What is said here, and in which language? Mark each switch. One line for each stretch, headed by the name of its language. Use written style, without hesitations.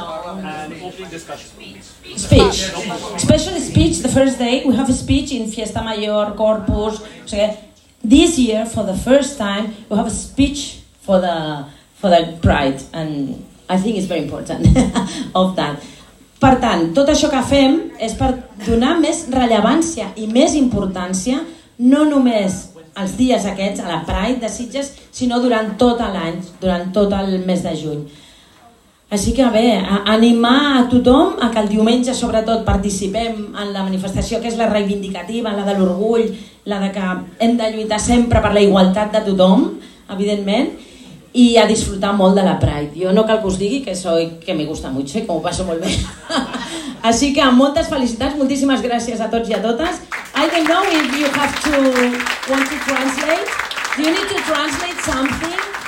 English: An opening discussion. Speech. Special speech, the first day, we have a speech in Fiesta Mayor, Corpus. This year, for the first time, we have a speech for the Pride, and I think it's very important of that.
Catalan: Per tant, tot això que fem és per donar més rellevància i més importància, no només els dies aquests a la Pride de Sitges, sinó durant tot l'any, durant tot el mes de juny. Així que bé, animar a tothom a que el diumenge sobretot participem en la manifestació que és la reivindicativa, la de l'orgull, la de que hem de lluitar sempre per la igualtat de tothom, evidentment, i a disfrutar molt de la Pride. Jo no cal que us digui que
Spanish: soy, que me gusta mucho y que me paso
Catalan: molt bé. Així que moltes felicitats, moltíssimes gràcies a tots i a totes.
English: I don't know if you have to want to translate. Do you need to translate something?